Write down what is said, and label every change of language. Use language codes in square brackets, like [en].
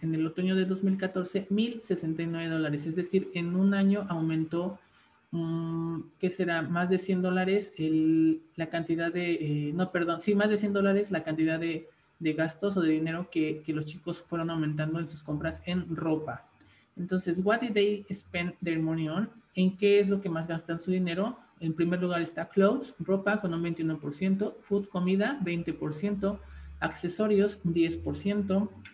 [es] En el otoño de 2014, $1,069. Es decir, en un año aumentó, ¿qué será? Más de $100 más de $100 la cantidad de gastos o de dinero que los chicos fueron aumentando en sus compras en ropa. [en] Entonces, what did they spend their money on? [es] ¿En qué es lo que más gastan su dinero? En primer lugar está clothes, ropa con un 21%, food, comida, 20%, accesorios, 10%.